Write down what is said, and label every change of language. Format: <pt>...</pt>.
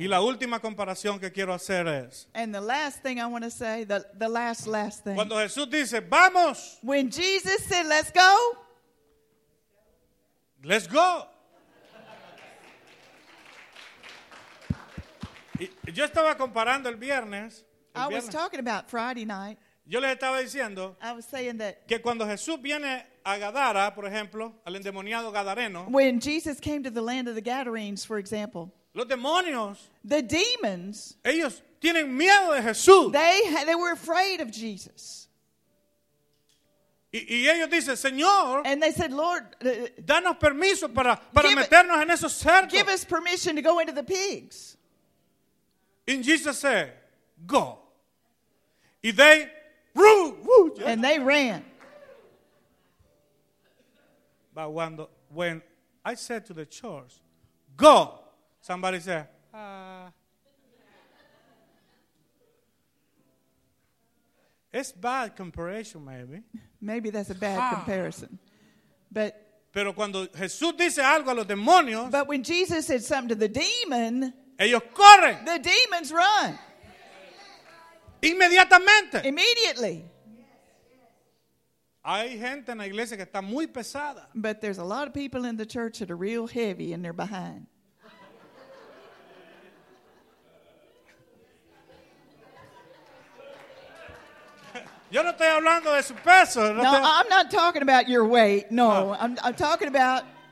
<es>Y la última comparación que quiero hacer es.</es> <en>And the last thing I want to say, the last thing.</en> <es>Cuando Jesús dice, vamos.</es> <en>When Jesus said, let's go. Let's go.</en> <es>Yo estaba comparando el viernes.</es> <en>I was talking about Friday night.</en> <es>Yo les estaba diciendo que cuando Jesús viene a Gadara, por ejemplo, al endemoniado gadareno,</es> <en>when Jesus came to the land of the Gadarenes, for example,</en> <es>los demonios,</es> <en>the demons,</en> <es>ellos tienen miedo de Jesús.</es> <en>They were afraid of Jesus.</en> <es>Y ellos dicen, Señor,</es> <en>and they said, Lord,</en> <es>danos permiso para meternos en esos cerdos.</es> <en>Give us permission to go into the pigs. And Jesus said, go. Y they woo, woo, and they ran. But when I said to the church, go, somebody said, it's bad comparison, maybe. Maybe that's a bad comparison. But</en> <es>pero cuando Jesús dice algo a los demonios,</es> <en>but when Jesus said something to the demon,</en> <es>ellos corren.</es> <en>The demons run.</en> <es>Inmediatamente.</es> <en>Immediately.</en> <es>Hay gente en la iglesia que está muy pesada.</es> <en>But there's a lot of people in the church that are real heavy and they're behind.</en> <es>Yo no estoy hablando de su peso.</es> <en>No, I'm not talking about your weight. No, I'm talking about</en>